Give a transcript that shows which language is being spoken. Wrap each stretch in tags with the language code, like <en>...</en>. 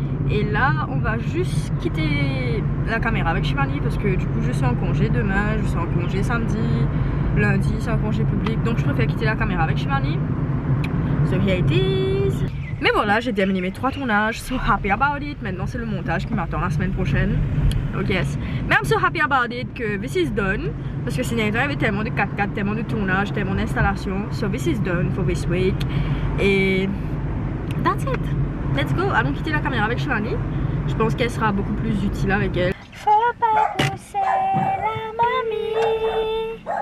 <fr>Et là, on va juste quitter la caméra avec Shivani parce que du coup, je suis en congé demain, je suis en congé samedi, lundi, c'est un congé public. Donc, je préfère quitter la caméra avec Shivani.</fr> <en>So here it is.</en> <fr>Mais voilà, j'ai terminé mes 3 tournages.</fr> <en>So happy about it.</en> <fr>Maintenant, c'est le montage qui m'attend la semaine prochaine.</fr> <en>Oh yes. Mais I'm so happy about it que this is done.</en> <fr>Parce que sinon, il y avait tellement de 4x4, tellement de tournages, tellement d'installations.</fr> <en>So this is done for this week. Et that's it. Let's go,</en> <fr>allons quitter la caméra avec Shivani. Je pense qu'elle sera beaucoup plus utile avec elle. Faut pas pousser la mamie.</fr>